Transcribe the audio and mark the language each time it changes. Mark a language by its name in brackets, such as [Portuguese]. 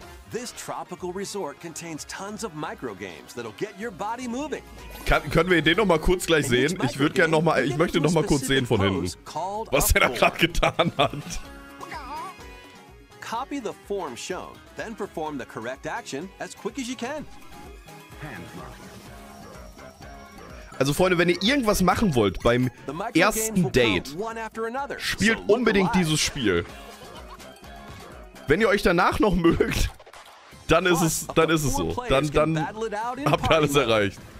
[English] This tropical resort contains tons of micro games that'll get your body moving. [German] Können wir den noch mal kurz gleich sehen? Ich würde gerne noch mal, ich möchte noch mal kurz sehen von hinten, was er da gerade getan hat. [English] Copy the form shown, then perform the correct action as quick as you can. [German] Also Freunde, wenn ihr irgendwas machen wollt beim ersten Date, spielt unbedingt dieses Spiel. Wenn ihr euch danach noch mögt, Dann ist es so. Dann habt ihr alles erreicht.